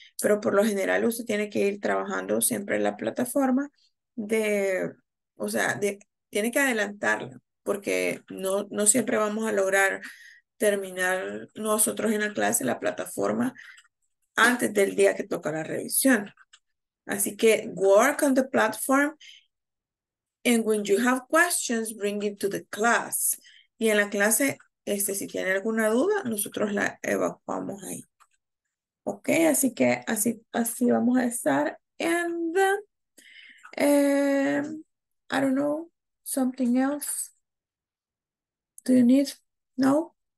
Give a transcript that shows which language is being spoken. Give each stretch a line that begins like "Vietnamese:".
Spanish: Pero por lo general usted tiene que ir trabajando siempre en la plataforma de, o sea, de, tiene que adelantarla porque no siempre vamos a lograr terminar nosotros en la clase la plataforma antes del día que toca la revisión. Así que
English: work on the platform and when you have questions, bring it to the class.
Spanish: Y en la clase, si tiene alguna duda, nosotros la evacuamos ahí.
English: Ok,
Spanish: así que así vamos a estar.
English: And I don't know, something else. Do you need? No.